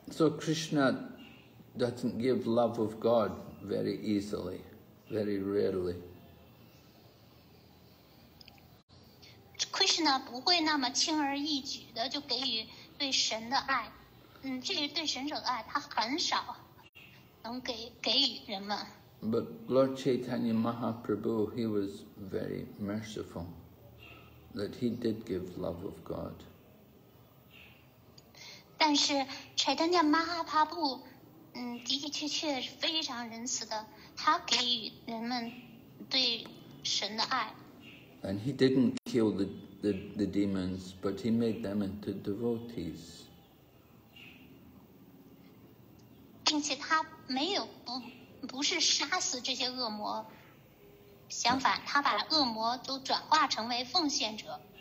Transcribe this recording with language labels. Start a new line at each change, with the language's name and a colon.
English: So Krishna doesn't give love of God very easily, very rarely.
Chinese: Krishna 不会那么轻而易举的就给予对神的爱，这是对神者的爱，他很少能给予人们。
English: But Lord Chaitanya Mahaprabhu, he was very merciful, that he did give love of God.
Chinese: 但是 Chaitanya Mahaprabhu, 的的确确是非常仁慈的，他给予人们对神的爱。
English: And he didn't kill the demons, but he made them into devotees.
Chinese: 并且他没有不是杀死这些恶魔，相反，他把恶魔都转化成为奉献者。